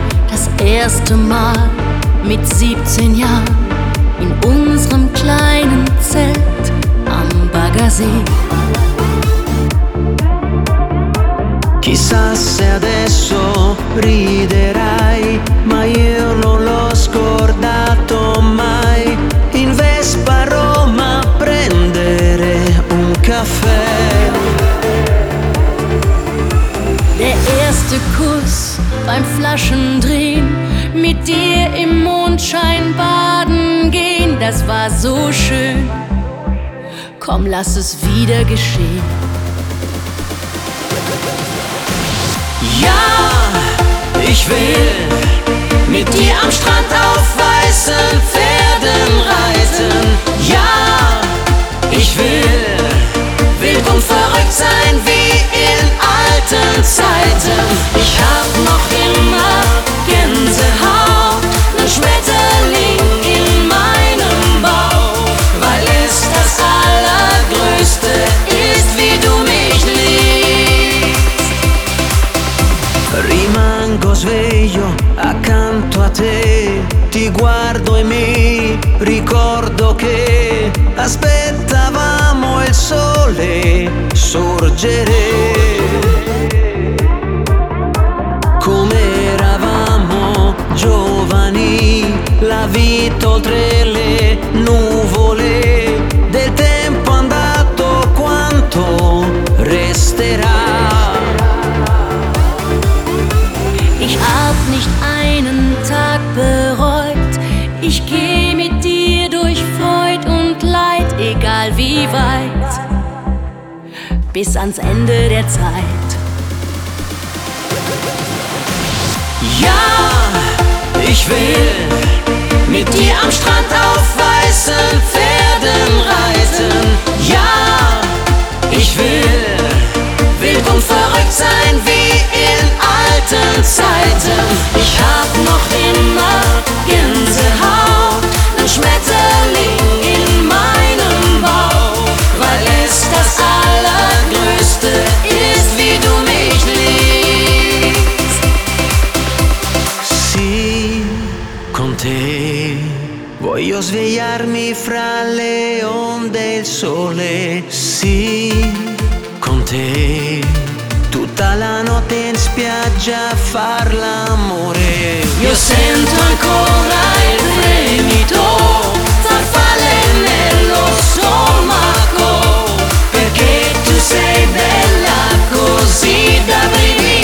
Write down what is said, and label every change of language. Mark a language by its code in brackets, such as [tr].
[de] Das erste Mal mit 17 Jahren in unserem kleinen Zelt am Baggersee. [it] Chissà se adesso riderai, ma io non l'ho scordato mai. In Vespa a Roma a prendere un caffè. [de] Der erste Kuss beim Flaschendrehen, mit dir im Mondschein baden gehen, das war so schön. Komm, lass es wieder geschehen. Ja, ich will mit dir am Strand auf weißen Pferden reiten. Ja, ich will wild und verrückt sein wie in alten Zeiten. Ich hab noch immer Gänsehaut, nen Schmetterling in meinem Bauch, weil es das Allergrößte ist, wie du mich liebst. [it] Rimango sveglio accanto a te, ti guardo e mi ricordo che aspettavamo il sole sorgere. Come eravamo giovani, la vita oltre le nuvole, del tempo andato quanto resterà. [de] Ich hab nicht einen Tag bereut, ich geh mit dir durch Freud und Leid, egal wie weit, bis ans Ende der Zeit. Ja, ich will mit dir am Strand auf weißen Pferden reiten. Ja, ich will wild und verrückt sein wie in alten Zeiten. Ich hab noch immer Gänsehaut, nen Schmetterling in meinem Bauch, weil es das Allergrößte ist, wie du mich liebst. [it] Sì, con te voglio svegliarmi fra le onde del sole. Sì, con te tutta la notte in spiaggia a far l'amore. Io sento ancora il fremito, farfalle nello stomaco, perché tu sei bella così da brividi.